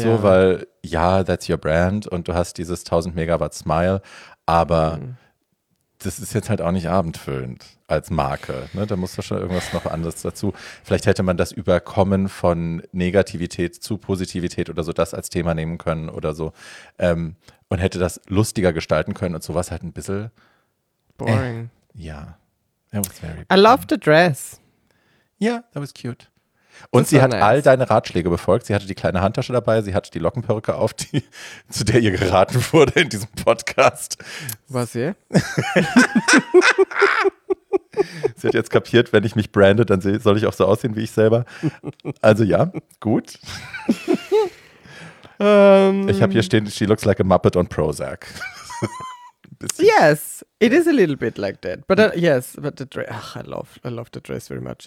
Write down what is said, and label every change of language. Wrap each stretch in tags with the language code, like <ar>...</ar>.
<de>So, weil, ja,</de> <en>that's your brand</en> <de>und du hast dieses 1000 Megawatt Smile, aber das ist jetzt halt auch nicht abendfüllend als Marke. Ne? Da muss doch schon irgendwas noch anderes dazu. Vielleicht hätte man das Überkommen von Negativität zu Positivität oder so das als Thema nehmen können oder so. Und hätte das lustiger gestalten können und sowas halt ein bisschen</de> <en>boring.</en> <de>Ja.</de> <en>That was very boring. I love the dress. Yeah, that was cute.</en> <de>Und sie hat all deine Ratschläge befolgt. Sie hatte die kleine Handtasche dabei, sie hatte die Lockenperücke auf, die, zu der ihr geraten wurde in diesem Podcast. Was hier? Sie hat jetzt kapiert, wenn ich mich brande, dann soll ich auch so aussehen wie ich selber. Also ja, gut. Ich habe hier stehen,</de> <en>she looks like a Muppet on Prozac. Yes, it is a little bit like that. But yes, but the dress, I love the dress very much.</en>